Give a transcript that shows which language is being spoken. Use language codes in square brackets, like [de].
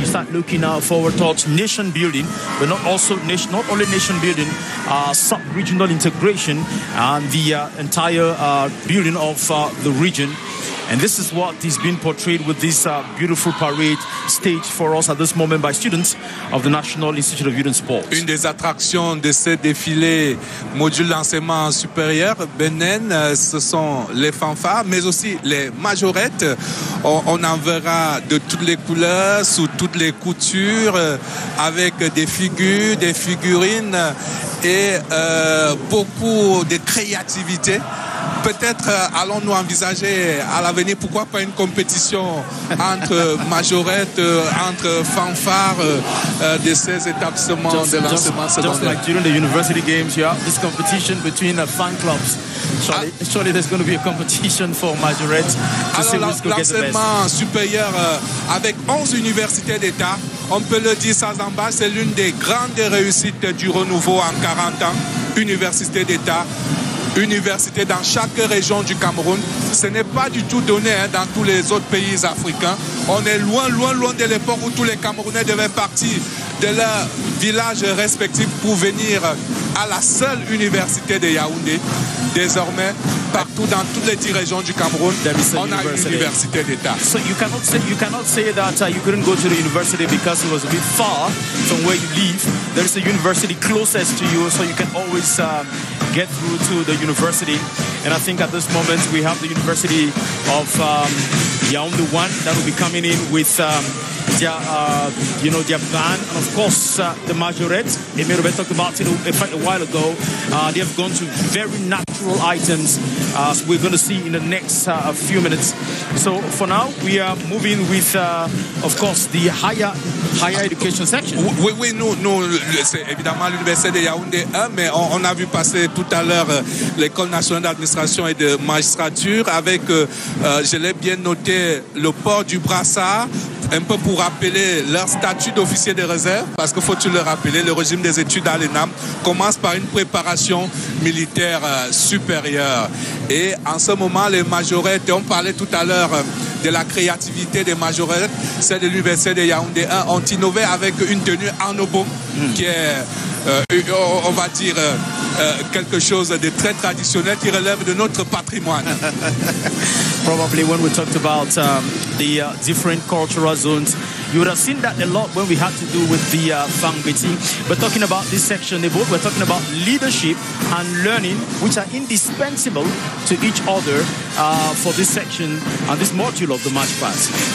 [en] You start looking forward towards nation building, but not only nation building. Sub-regional integration and the entire building of the region. And this is what is being portrayed with this beautiful parade stage for us at this moment by students of the National Institute of Youth and Sports. [fr] Une des attractions de ce défilé module d'enseignement supérieur, Benin, ce sont les fanfares, mais aussi les majorettes. On en verra de toutes les couleurs, sous toutes les coutures, avec des figures, des figurines et beaucoup de créativité. Peut-être allons-nous envisager à l'avenir, pourquoi pas, une compétition entre majorettes, entre fanfares de ces établissements de l'enseignement secondaire. [en] Just like during the university games, you have this competition between fan clubs. Surely there's going to be a competition for majorettes. [fr] Alors, l'enseignement supérieur avec 11 universités d'État, on peut le dire sans embâche, c'est l'une des grandes réussites du renouveau en 40 ans. Université d'État. Université dans chaque région du Cameroun. Ce n'est pas du tout donné dans tous les autres pays africains. On est loin, loin, loin de l'époque où tous les Camerounais devaient partir de leur village respectif pour venir à la seule université de Yaoundé. Désormais, partout dans toutes les 10 régions du Cameroun, on a une université d'État. [en] So you cannot say that you couldn't go to the university because it was a bit far from where you live. There is a university closest to you, so you can always get through to the university. And I think at this moment we have the University of Yaoundé One that will be coming in with their band, and of course the majorettes. Emirobe talked about it a while ago. They have gone to very natural items, as we're going to see in the next few minutes. So for now, we are moving with, of course, the higher education section. [fr] Oui, nous, c'est évidemment l'université de Yaoundé 1, mais on a vu passer tout à l'heure l'école nationale d'administration et de magistrature avec, je l'ai bien noté, le port du brassard, un peu pour rappeler leur statut d'officier de réserve, parce que faut-il le rappeler, le régime des études à l'ENAM commence par une préparation militaire supérieure. Et en ce moment, les majorettes, on parlait tout à l'heure de la créativité des majorettes, celle de l'université de Yaoundé 1, ont innové avec une tenue en obo, qui est, on va dire, quelque chose de très traditionnel qui relève de notre patrimoine. [en] Probably when we talked about the different cultural zones, you would have seen that a lot when we had to do with the Fang meeting. We're talking about this section, we're talking about leadership and learning, which are indispensable to each other for this section and this module of the March Pass.